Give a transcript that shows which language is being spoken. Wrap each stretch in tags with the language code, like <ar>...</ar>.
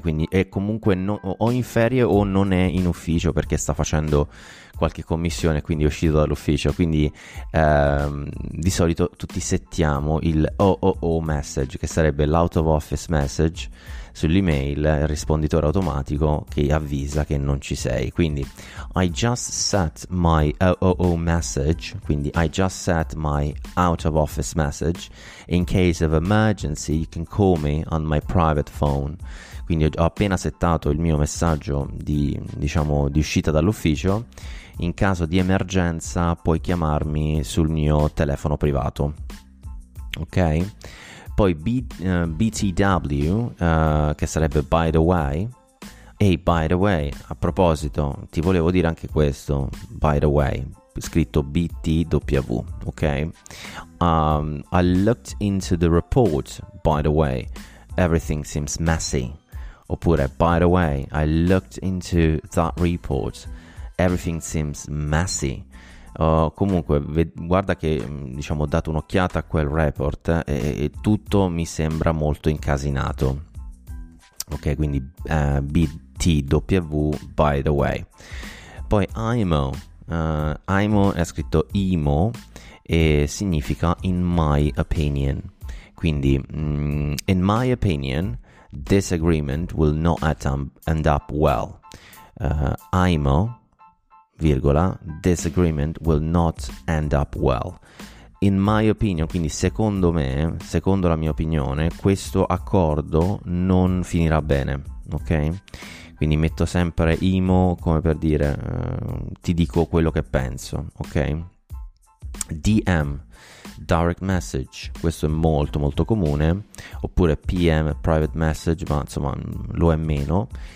<it>Quindi è comunque o in ferie o non è in ufficio perché sta facendo qualche commissione, quindi è uscito dall'ufficio. Quindi di solito tutti settiamo il OOO message, che sarebbe l'out of office message sull'email, il risponditore automatico che avvisa che non ci sei.</it> <en>Quindi I just set my OOO message, quindi I just set my out of office message, in case of emergency you can call me on my private phone.</en> <it>Quindi ho appena settato il mio messaggio di, diciamo, di uscita dall'ufficio. In caso di emergenza puoi chiamarmi sul mio telefono privato. Ok? Poi BTW, che sarebbe by the way. Hey, by the way, a proposito, ti volevo dire anche questo, by the way, scritto BTW, ok?</it> <en>I looked into the report, by the way, everything seems messy. Oppure, by the way, I looked into that report, everything seems messy.</en> <it>Comunque, guarda che, diciamo, ho dato un'occhiata a quel report e tutto mi sembra molto incasinato. Ok, quindi BTW, by the way. Poi IMO, IMO è scritto IMO e significa in my opinion.</it> <en>Quindi, in my opinion, disagreement will not end up well. IMO, virgola, disagreement will not end up well.</en> <it>In my opinion, quindi secondo me, secondo la mia opinione, questo accordo non finirà bene, ok? Quindi metto sempre IMO come per dire, ti dico quello che penso, ok? DM, direct message, questo è molto molto comune, oppure PM, private message, ma insomma lo è meno.</it>